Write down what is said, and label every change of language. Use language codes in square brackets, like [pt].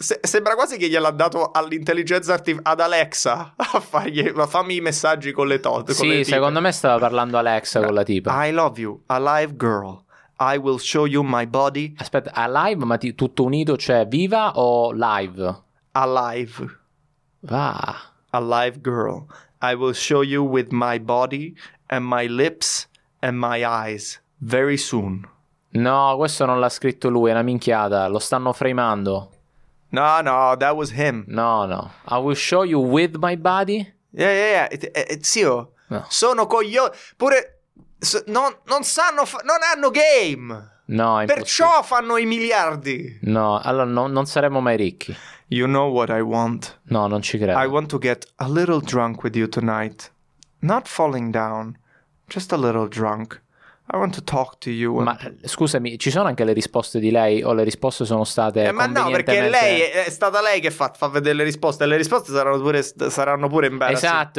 [it] Sembra quasi che gliel'ha dato all'intelligenza ad Alexa. Fammi i messaggi con le tote. Sì, le secondo me stava parlando Alexa con la tipa. [en] I love you. Alive girl. I will show you my body. [it] Aspetta, alive, ma tutto unito, cioè viva o live? [en] Alive. Ah. Alive girl. I will show you with my body and my lips and my eyes very soon. [it] No, questo non l'ha scritto lui, è una minchiata. Lo stanno framando. [en] No, no, that was him. No, no. I will show you with my body? Yeah. [it] Zio, no. Sono coglioni. Pure... Non hanno game. No, è perciò fanno i miliardi. No, allora no, non saremo mai ricchi. [en] You know what I want? [it] No, non ci credo. [en] I want to get a little drunk with you tonight. Not falling down, just a little drunk. I want to talk to you. [it] Ma scusami, ci sono anche le risposte di lei o le risposte sono state convenientemente... Ma no, perché lei è stata lei che fa vedere le risposte e le risposte saranno pure imbarazzanti.